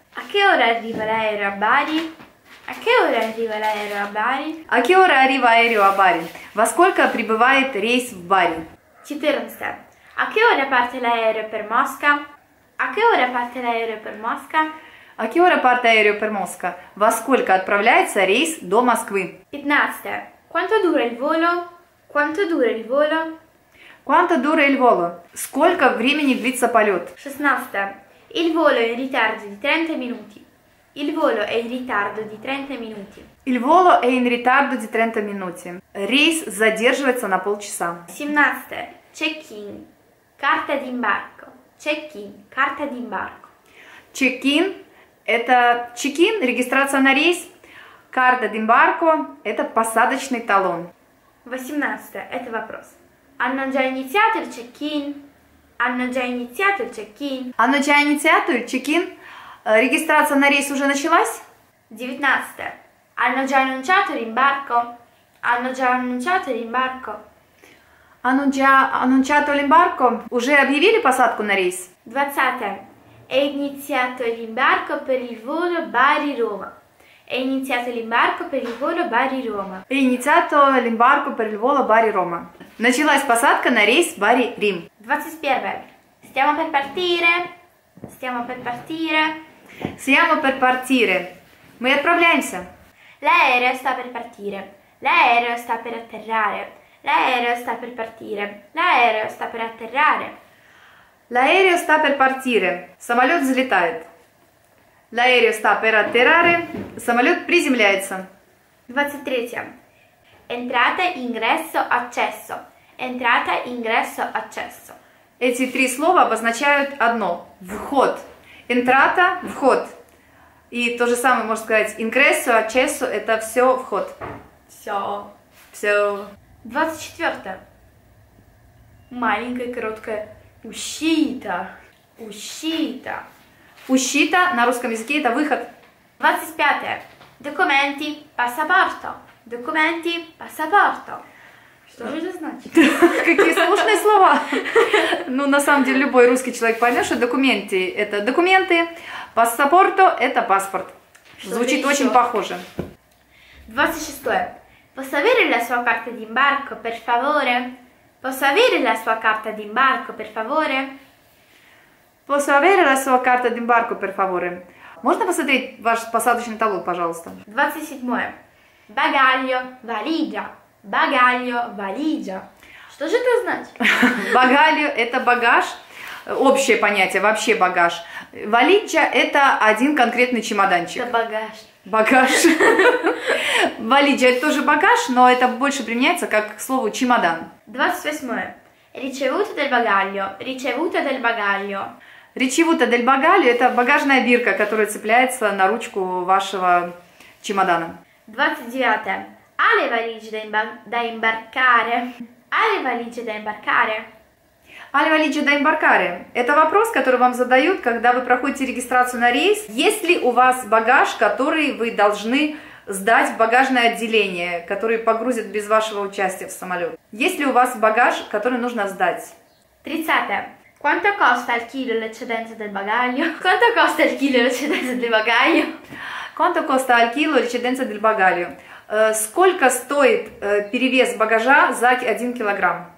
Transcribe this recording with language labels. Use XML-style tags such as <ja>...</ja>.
<it>A che ora arriva l'aereo a Bari? A che ora arriva l'aereo a Bari? A che ora arriva l'aereo a Bari?</it> <ru>Во сколько прибывает рейс в Бари? Четырнадцатое.</ru> <it>A che ora parte l'aereo per Mosca? A che ora parte l'aereo per Mosca? A che ora parte l'aereo per Mosca?</it> <ru>Во сколько отправляется рейс до Москвы? Пятнадцатое.</ru> <it>Quanto dura il volo? Quanto dura il volo? Quanto dura il volo?</it> <ru>Сколько времени длится полет? Шестнадцатое.</ru> <it>Il volo è in ritardo di 30 minuti. Il volo è in ritardo di 30 minuti. Il volo è in ritardo di 30 minuti.</it> <ru>Рейс задерживается на полчаса. Семнадцатое.</ru> <it>Check-in. Carta d'imbarco. Check-in. Carta d'imbarco.</it> <ru>Check-in – это check-in, регистрация на рейс. Carta d'imbarco – это посадочный талон. Восемнадцатое. Это вопрос.</ru> <it>Hanno già iniziato il check-in? Hanno già iniziato il check-in? Hanno già iniziato il check-in?</it> <ru>Регистрация на рейс уже началась? Девятнадцатое.</ru> <it>Hanno già annunciato l'imbarco? Hanno già annunciato l'imbarco? Hanno già annunciato l'imbarco?</it> <ru>Уже объявили посадку на рейс? Двадцатое.</ru> <it>È iniziato l'imbarco per il volo Bari-Roma. È iniziato l'imbarco per il volo Bari-Roma. È iniziato l'imbarco per il volo Bari-Roma.</it> <ru>Началась посадка на рейс Бари-Рим.</ru> <it>21. Stiamo per partire. Stiamo per partire. Siamo per partire.</it> <ru>Мы отправляемся.</ru> <it>L'aereo sta per partire. L'aereo sta per atterrare. L'aereo sta per partire. L'aereo sta per atterrare. L'aereo sta per partire.</it> <ru>Самолет взлетает.</ru> <it>L'aereo sta per atterrare.</it> <ru>Самолет приземляется. 23.</ru> <it>Entrata, ingresso, accesso. Entrata, ingresso, accesso.</it> <ru>Эти три слова обозначают одно. Вход. Entrata – вход. И то же самое можно сказать.</ru> <it>Ingresso, accesso</it> <ru>– это все вход. Все. Все. 24. Маленькая, короткая.</ru> <it>Uscita. Uscita.</it> <ru>Uscita на русском языке – это выход. 25.</ru> <it>Documenti, passaporto.</it> <ru>Документи, паспорто. Что же это значит? Какие сложные слова. Ну, на самом деле, любой русский человек поймет, что документы – это документы, паспорто – это паспорт. Звучит очень похоже. 26.</ru> <it>Posso avere la sua carta di imbarco, per favore? Posso avere la sua carta di imbarco, per favore? Posso avere la sua carta di imbarco, per favore?</it> <ru>Можно посмотреть ваш посадочный талон, пожалуйста? 27. Багаглио, валиджа. Багаглио, валиджа. Что же это значит? Багаглио – это багаж. Общее понятие, вообще багаж. Валиджа – это один конкретный чемоданчик. Это багаж. Багаж. Валиджа – это тоже багаж, но это больше применяется как к слову чемодан.</ru> <it>28. Ricevuto del bagaglio. Ricevuto del bagaglio. Ricevuto del bagaglio</it> <ru>– это багажная бирка, которая цепляется на ручку вашего чемодана. 29.</ru> <it>Ha le valigie da imbarcare? Ha le valigie da imbarcare? Ha le valigie da imbarcare?</it> <ru>Это вопрос, который вам задают, когда вы проходите регистрацию на рейс. Есть ли у вас багаж, который вы должны сдать в багажное отделение, который погрузят без вашего участия в самолет? Есть ли у вас багаж, который нужно сдать? 30.</ru> <it>Quanto costa il chilo l'eccedenza del bagaglio? Quanto costa il chilo l'eccedenza del bagaglio? Quanto costa al chilo l'eccedenza del bagaglio?</it> <ru>Сколько стоит перевес багажа за 1 килограмм?</ru>